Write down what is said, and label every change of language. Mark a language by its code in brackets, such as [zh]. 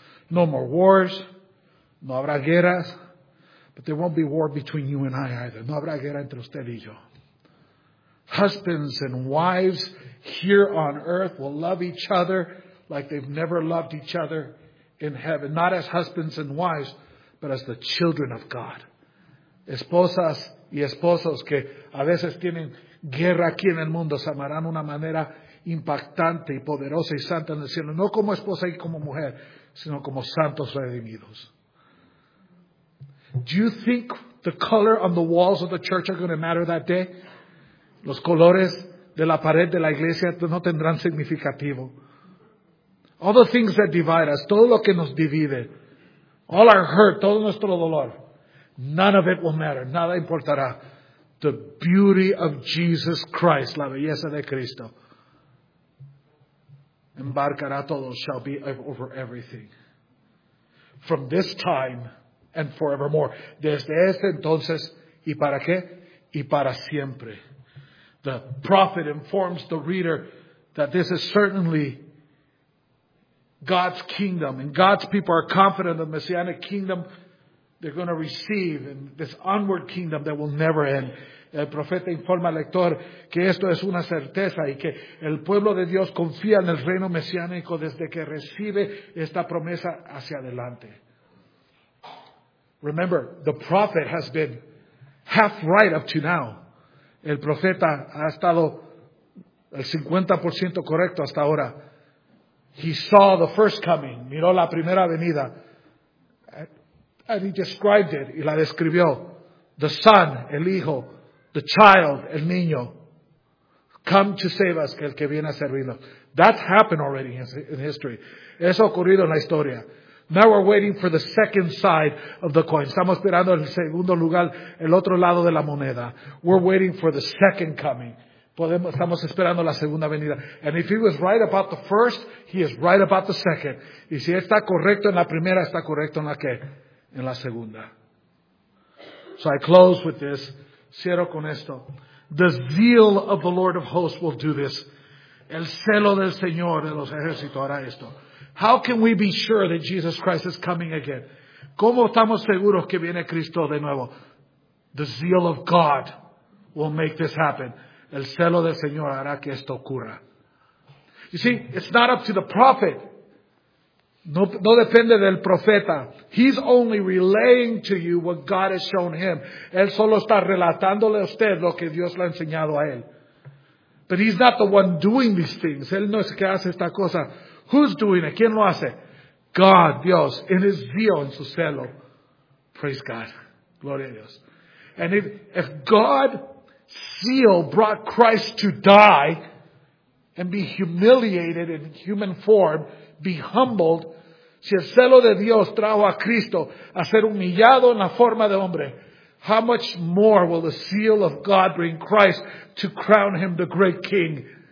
[en] No more wars, [es] no habrá guerras, [en] but there won't be war between you and I either. [es] No habrá guerra entre usted y yo. [en] Husbands and wives here on earth will love each other like they've never loved each other in heaven. Not as husbands and wives, but as the children of God. [es] Esposas y esposos que a veces tienen guerra aquí en el mundo se amarán de una manera impactante y poderosa y santa en el cielo. No como esposa y como mujer, sino como santos redimidos. [en] Do you think the color on the walls of the church are going to matter that day? [es] Los colores de la pared de la iglesia no tendrán significativo. [en] All the things that divide us, [es] todo lo que nos divide, [en] all our hurt, [es] todo nuestro dolor, [en] none of it will matter, [es] nada importará. [en] The beauty of Jesus Christ, [es] la belleza de Cristo, embarcará todo, [en] shall be over everything. From this time and forevermore. [es] Desde este entonces, ¿y para qué? Y para siempre. [en] The prophet informs the reader that this is certainly God's kingdom, and God's people are confident of the messianic kingdom they're going to receive, and this onward kingdom that will never end. [es] El profeta informa al lector que esto es una certeza y que el pueblo de Dios confía en el reino mesiánico desde que recibe esta promesa hacia adelante. [en] Remember, the prophet has been half right up to now. [es] El profeta ha estado el 50% correcto hasta ahora. [en] He saw the first coming, [es] miró la primera venida, [en] and he described it, [es] y la describió. [en] The son, [es] el hijo, [en] the child, [es] el niño, [en] come to save us, [es] que el que viene a servirnos. [en] That's happened already in history. [es] Eso ha ocurrido en la historia. [en] Now we're waiting for the second side of the coin. [es] Estamos esperando el segundo lugar, el otro lado de la moneda. [en] We're waiting for the second coming. [es] Estamos esperando la segunda venida. [en] And if he was right about the first, he is right about the second. [es] Y si está correcto en la primera, está correcto en la qué? En la segunda. [en] So I close with this. [es] Cierro con esto. [en] The zeal of the Lord of hosts will do this. [es] El celo del Señor de los ejércitos hará esto. [en] How can we be sure that Jesus Christ is coming again? [es] ¿Cómo estamos seguros que viene Cristo de nuevo? [en] The zeal of God will make this happen. [es] El celo del Señor hará que esto ocurra. [en] You see, it's not up to the prophet. [es] No depende del profeta. [en] He's only relaying to you what God has shown him. [es] Él solo está relatándole a usted lo que Dios le ha enseñado a él. [en] But he's not the one doing these things. [es] Él no es el que hace esta cosa. [en] Who's doing it? [es] ¿Quién lo hace? God, Dios, [en] in his zeal, [es] en su celo. [en] Praise God. [es] Gloria a Dios. [en] And if God's zeal brought Christ to die and be humiliated in human form, be humbled, [es] si el celo de Dios trajo a Cristo a ser humillado en la forma de hombre, [en] how much more will the zeal of God bring Christ to crown him the great king?